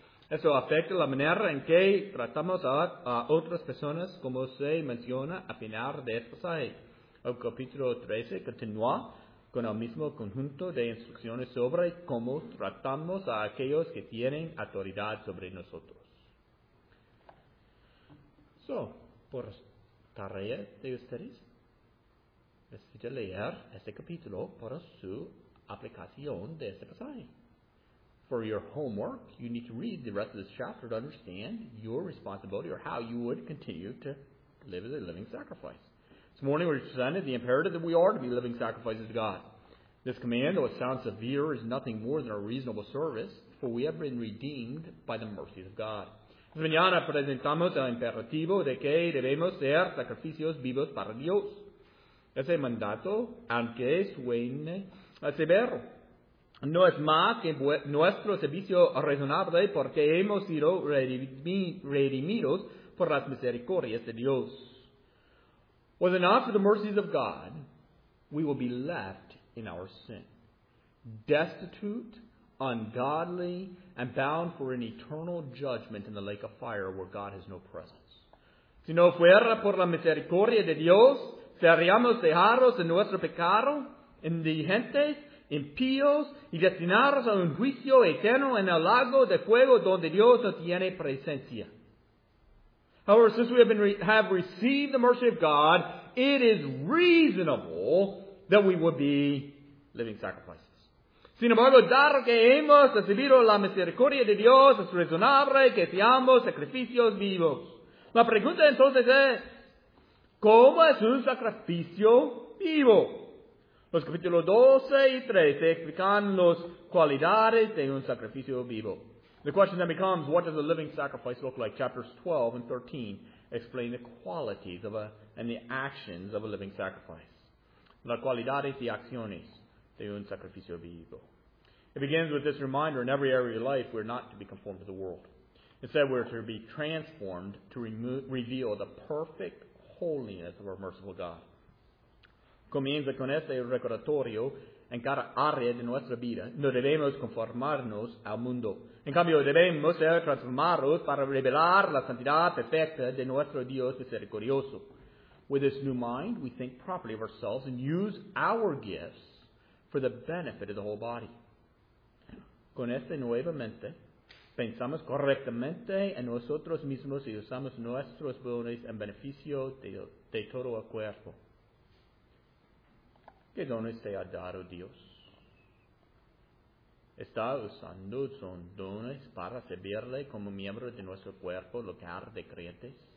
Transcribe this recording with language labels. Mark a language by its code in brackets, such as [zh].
[es] Eso afecta la manera en que tratamos a otras personas, como se menciona a final de este pasaje. El capítulo 13 continúa con el mismo conjunto de instrucciones sobre cómo tratamos a aquellos que tienen autoridad sobre nosotros. So, por tarea de ustedes, les voy a leer este capítulo para su aplicación de este pasaje. [en] For your homework, you need to read the rest of this chapter to understand your responsibility or how you would continue to live as a living sacrifice. This morning we presented the imperative that we are to be living sacrifices to God. This command, though it sounds severe, is nothing more than a reasonable service, for we have been redeemed by the mercies of God. [es] Esta mañana presentamos el imperativo de que debemos ser sacrificios vivos para Dios. Ese mandato, aunque suene severo, no es más que nuestro servicio razonable porque hemos sido redimidos por las misericordias de Dios. [en] Was it not for the mercies of God, we will be left in our sin, destitute, ungodly, and bound for an eternal judgment in the lake of fire where God has no presence. [es] Si no fuera por la misericordia de Dios, seríamos dejados en nuestro pecado, indigentes, impíos, y destinados a un juicio eterno en el lago de fuego donde Dios no tiene presencia. [en] However, since we have received the mercy of God, it is reasonable that we would be living sacrifices. [es] Sin embargo, dado que hemos recibido la misericordia de Dios, es razonable que seamos sacrificios vivos. La pregunta entonces es, ¿cómo es un sacrificio vivo? Los capítulos 12 y 13 explican las cualidades de un sacrificio vivo. [en] The question then becomes, what does a living sacrifice look like? Chapters 12 and 13 explain the qualities of and the actions of a living sacrifice. [es] Las cualidades y acciones de un sacrificio vivo. [en] It begins with this reminder, in every area of life, we're not to be conformed to the world. Instead, we're to be transformed to reveal the perfect holiness of our merciful God. [es] Comienza con este recordatorio. En cada área de nuestra vida, no debemos conformarnos al mundo. En cambio, debemos ser transformados para revelar la santidad perfecta de nuestro Dios misericordioso. [en] With this new mind, we think properly of ourselves and use our gifts for the benefit of the whole body. [es] Con esta nueva mente, pensamos correctamente en nosotros mismos y usamos nuestros dones en beneficio de todo el cuerpo. ¿Qué dones te ha dado Dios? ¿Está usando sus dones para servirle como miembro de nuestro cuerpo local de creyentes?